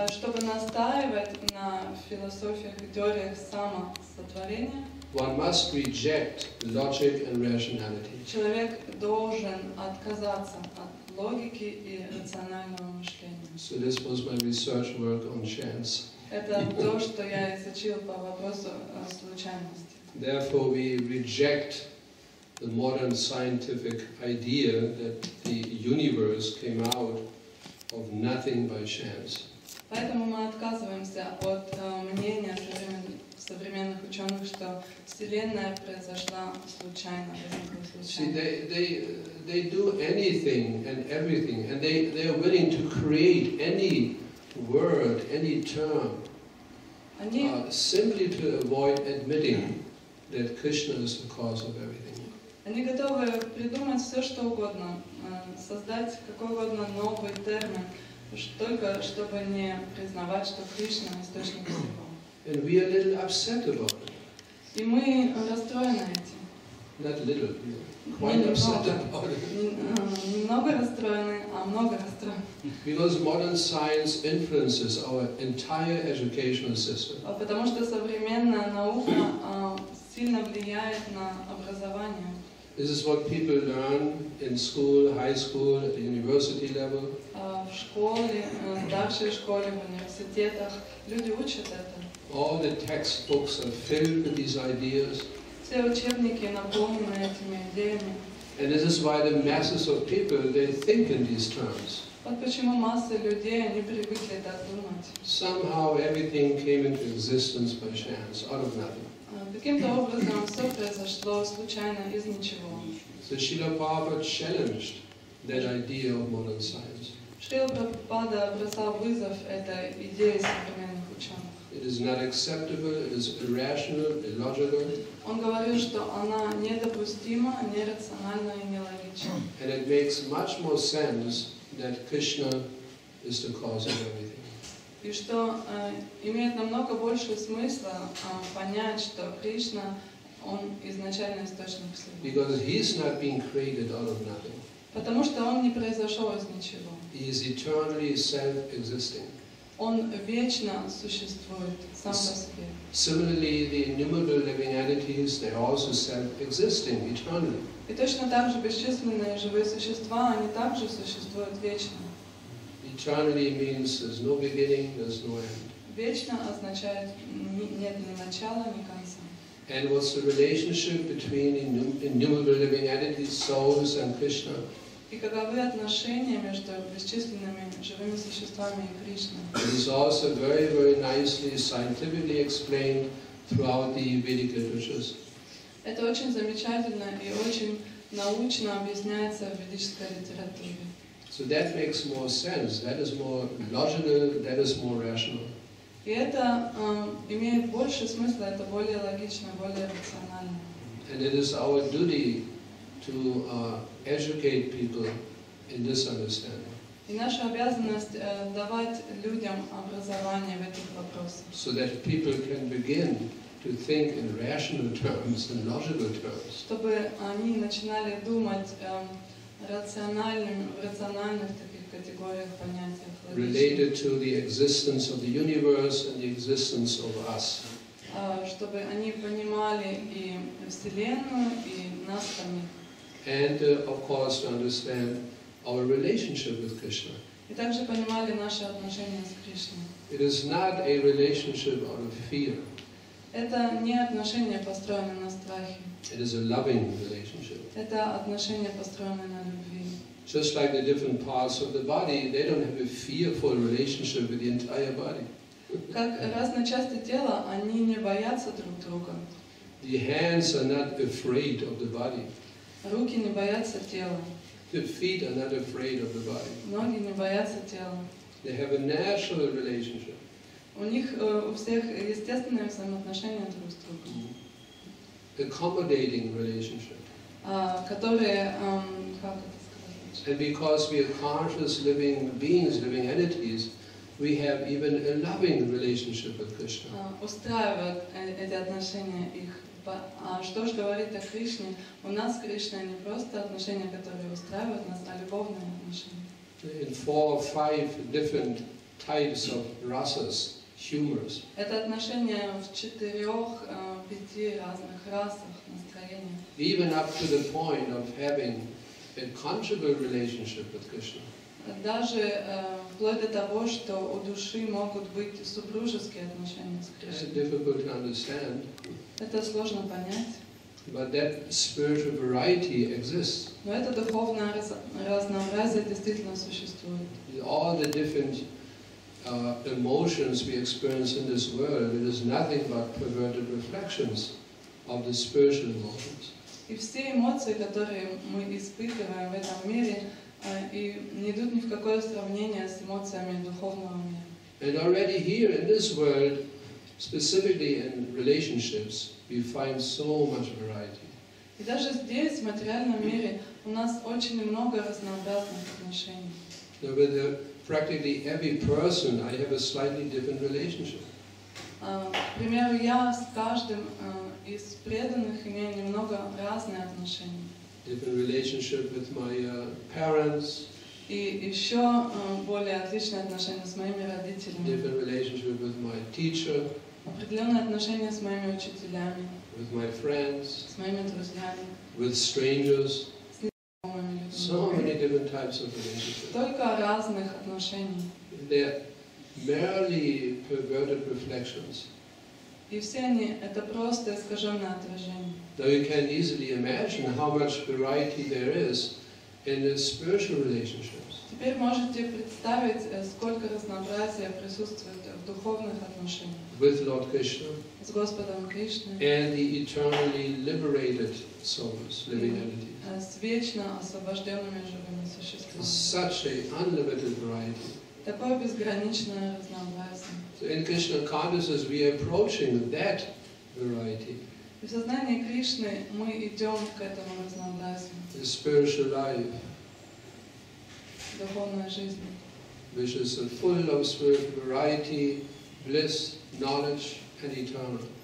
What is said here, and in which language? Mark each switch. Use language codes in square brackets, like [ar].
[ru] чтобы настаивать на философиях и теориях самосотворения, [en] one must reject logic and rationality. [ru] Человек должен отказаться от логики и рационального мышления. [en] So this was my research work on chance. [ru] Это то, что я изучил по вопросу случайности. [en] Therefore, we reject the modern scientific idea that the universe came out of nothing by chance. [ru] Поэтому мы отказываемся от мнения современных ученых, что Вселенная произошла случайно. [en] See, they do anything and everything, and they are willing to create any word, any term, simply to avoid admitting that Krishna is the cause of everything. [ru] Они готовы придумать все, что угодно, создать какой угодно новый термин, только чтобы не признавать, что Кришна источник всего. [en] And we are a little upset about it. [ru] И мы расстроены этим. [en] Not a little, quite upset about it. [ru] Немного расстроены, а много расстроены. [en] Because modern science influences our entire educational system. [ru] Потому что современная наука сильно влияет на образование. [en] This is what people learn in school, high school, at the university level. [ru] В школе, в старшей школе, в университетах люди учат это. [en] All the textbooks are filled with these ideas. [ru] Все учебники наполнены этими идеями. [en] And this is why the masses of people, they think in these terms. [ru] Вот почему масса людей, они привыкли так думать. [en] Somehow everything came into existence by chance, out of nothing. [ru] Каким-то образом все произошло случайно из ничего. [en] So Srila Prabhupada challenged that idea of modern science. [ru] Srila Prabhupada бросал вызов этой идее современных ученых. [en] It is not acceptable, it is irrational, illogical. [ru] Он говорил, что она недопустима, нерациональна и нелогична. [en] And it makes much more sense that Krishna is the cause of everything. [ru] И что имеет намного больше смысла понять, что Кришна, он изначально источник всего. [en] Because he is not being created out of nothing. [ru] Потому что он не произошел из ничего. [en] He is eternally self-existing. [ru] Он вечно существует сам по себе. [en] Similarly, the innumerable living entities, they are also self-existing eternally. [ru] И точно так же бесчисленные живые существа, они также существуют вечно. [en] Eternity means there's no beginning, there's no end. [ru] Вечно означает нет ни начала, ни конца. [en] And what's the relationship between innumerable living entities, souls, and Krishna? [ru] И каковы отношения между бесчисленными живыми существами и Кришной? [en] It is also very, very nicely scientifically explained throughout the Vedic literatures. [ru] Это очень замечательно и очень научно объясняется в ведической литературе. [en] So that makes more sense. That is more logical. That is more rational. [ru] И это имеет больше смысла. Это более логично, более рационально. [en] And it is our duty to educate people in this understanding. [ru] И наша обязанность давать людям образование в этих вопросах. [en] So that people can begin to think in rational terms and logical terms. [ru] Чтобы они начинали думать в рациональных таких категориях, понятиях. [en] Related to the existence of the universe and the existence of us. [ru] чтобы они понимали и Вселенную, и нас самих. [en] And of course to understand our relationship with Krishna. [ru] И также понимали наши отношения с Кришной. [en] It is not a relationship out of fear. [ru] Это не отношения, построенные на страхе. [en] It is a loving relationship. [ru] Это отношения, построенные на любви. [en] Just like the different parts of the body, they don't have a fearful relationship with the entire body. [ru] Как разные части тела, они не боятся друг друга. [en] The hands are not afraid of the body. [ru] Руки не боятся тела. [en] The feet are not afraid of the body. [ru] Ноги не боятся тела. [en] They have a natural relationship. [ru] У них у всех естественные взаимоотношения друг с другом. [en] Accommodating relationship. [ru] Которые как это сказать? [en] And because we are conscious living beings, living entities, we have even a loving relationship with Krishna. [ru] Устраивают эти отношения их. А что ж говорить о Кришне? У нас с Кришной не просто отношения, которые устраивают нас, а любовные отношения. [en] In four or five different types of rasas, humors. [ru] Это отношения в четырех, пяти разных расах настроения. [en] Even up to the point of having a conjugal relationship with Krishna. [ru] Даже вплоть до того, что у души могут быть супружеские отношения с Кришной. [en] It's difficult to understand. [ru] Это сложно понять. [en] But that spiritual variety exists. [ru] Но это духовное разнообразие действительно существует. [en] All the different emotions we experience in this world, it is nothing but perverted reflections of the spiritual emotions. [ru] И все эмоции, которые мы испытываем в этом мире, и не идут ни в какое сравнение с эмоциями духовного мира. [en] And already here in this world, specifically in relationships, we find so much variety. [ru] И даже здесь, в материальном мире, у нас очень много разнообразных отношений. [en] So with practically every person, I have a slightly different relationship. [ru] К примеру, я с каждым из преданных имею немного разные отношения. [en] Different relationship with my parents. [ru] И еще более отличные отношения с моими родителями. [en] Different relationship with my teacher. [ru] Определенные отношения с моими учителями. [en] With my friends. [ru] С моими друзьями. [en] With strangers. [ru] С незнакомыми людьми. [en] So many different types of relationships. [ru] Только разных отношений. [en] They're merely perverted reflections. [ru] И все они — это просто искаженное отражение. [en] Though you can easily imagine how much variety there is in the spiritual relationships. [ru] Теперь можете представить, сколько разнообразия присутствует в духовных отношениях. [en] With Lord Krishna. [ru] С Господом Кришной. [en] And the eternally liberated souls, living entities. [ru] С вечно освобожденными живыми существами. [en] Such an unlimited variety. [ru] Такое безграничное разнообразие. [en] So in Krishna consciousness, we are approaching that variety. [ru] В сознании Кришны мы идем к этому разнообразию. [en] The spiritual life. [ru] Духовная жизнь. [en] Which is full of spiritual variety, bliss, knowledge, and eternal.